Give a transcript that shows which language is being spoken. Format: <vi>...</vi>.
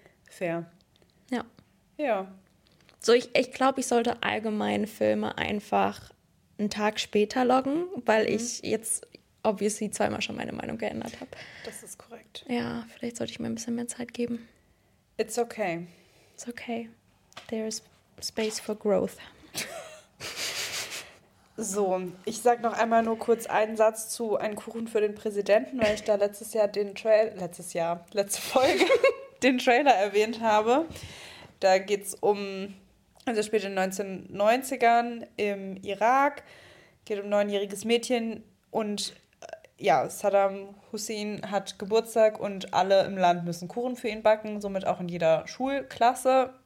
<en>Fair.</en> <de>Ja. Ja. So, ich glaube, ich sollte allgemein Filme einfach einen Tag später loggen, weil ich jetzt obviously zweimal schon meine Meinung geändert habe. Das ist korrekt. Ja, vielleicht sollte ich mir ein bisschen mehr Zeit geben.</de> <en>It's okay. It's okay. There is space for growth.</en> <de>So, ich sag noch einmal nur kurz einen Satz zu Ein Kuchen für den Präsidenten, weil ich da letzte Folge den Trailer erwähnt habe. Da geht's um, also spielt in den 1990ern im Irak, geht um 9-jähriges Mädchen und Saddam Hussein hat Geburtstag und alle im Land müssen Kuchen für ihn backen, somit auch in jeder Schulklasse.</de>